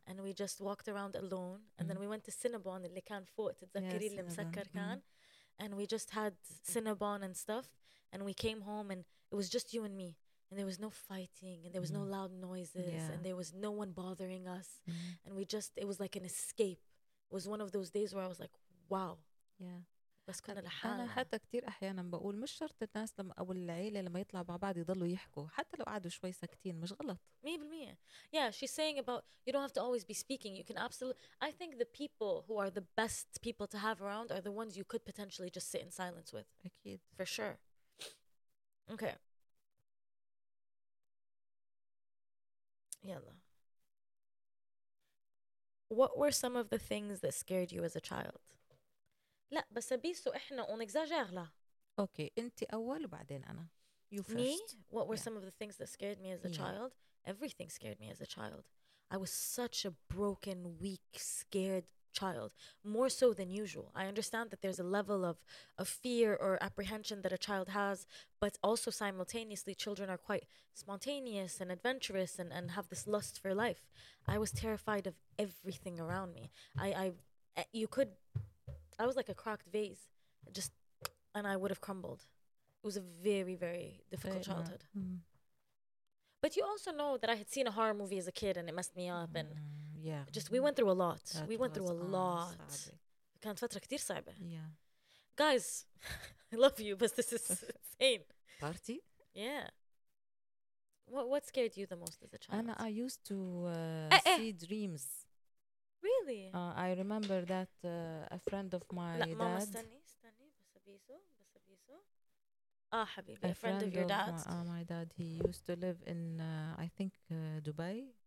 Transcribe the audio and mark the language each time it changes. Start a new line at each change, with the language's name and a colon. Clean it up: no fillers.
English: and we just walked around alone, and then we went to Cinnabon,
Arabic: اللي كان فوق تتذكري اللي مسكر كان.
English: And we just had Cinnabon and stuff. And we came home and it was just you and me. And there was no fighting. And there was no loud noises. Yeah. And there was no one bothering us. Mm-hmm. And we just, it was like an escape. It was one of those days where I was like, wow. Yeah.
Arabic: بس كنا لحالنا. أنا حتى كتير أحياناً بقول مش شرط الناس لما أو العيلة لما يطلع مع بعض يضلوا يحكوا. حتى لو قعدوا شوي ساكتين مش غلط.
English: 100%. Yeah, she's saying about, you don't have to always be speaking. You can absolutely, I think the people who are the best people to have around are the ones you could potentially just sit in silence with.
Arabic: أكيد.
English: For sure. Okay.
Arabic: يلا.
English: What were some of the things that scared you as a child?
Arabic: لا بس أبيسو إحنا ونكزاجر لا.
English: Okay,
Arabic: أنت أول وبعدين أنا.
English: You first. Me? What were some of the things that scared me as a child? Everything scared me as a child. I was such a broken, weak, scared child. More so than usual. I understand that there's a level of fear or apprehension that a child has, but also simultaneously children are quite spontaneous and adventurous and have this lust for life. I was terrified of everything around me. I was like a cracked vase, just, and I would have crumbled. It was a very, very difficult childhood. Mm-hmm. But you also know that I had seen a horror movie as a kid and it messed me up. Mm-hmm. And yeah. Just, we went through a lot. That we went through a lot. It was a very hard time. Guys, I love you, but this is insane. Party? Yeah. What scared you the most as a child? Anna, I used to see dreams. Really? I remember that a friend of my
Arabic: لا,
English: dad.
Arabic: لا, mama, استني, بس أبيسو. آه, حبيبي,
English: a friend of your dad. My dad, he used to live in, I think, Dubai.